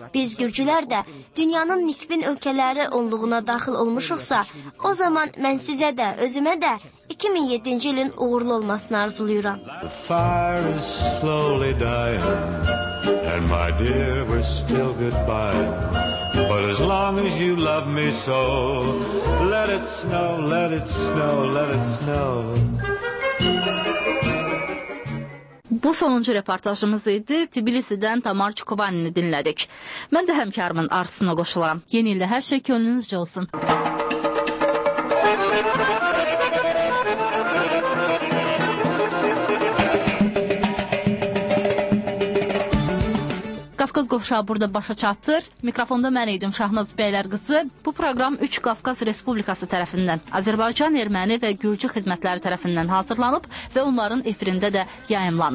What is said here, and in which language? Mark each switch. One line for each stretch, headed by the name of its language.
Azerbaijani: Biz gürcülər də dünyanın nikbin ölkələri onluğuna daxil olmuşuqsa, o zaman mən sizə də, özümə də 2007-ci ilin uğurlu olmasını arzulayıram.
English: The fire is slowly dying, and my dear, we're still goodbye. But as long as you love me so, let it snow, let it snow, let it snow.
Azerbaijani: Bu sonuncu reportajımız idi. Tbilisi'dən Tamar Çukovanini dinlədik. Mən də həmkarımın arzusuna qoşularam. Yeni ildə hər şey könlünüzcə olsun. Qafqaz Qovşağı burada başa çatır. Mikrofonda mən idim Şahnaz Bəylər qızı. Bu proqram 3 Qafqaz Respublikası tərəfindən, Azərbaycan, Erməni və Gürcü xidmətləri tərəfindən hazırlanıb və onların efirində də yayımlanır.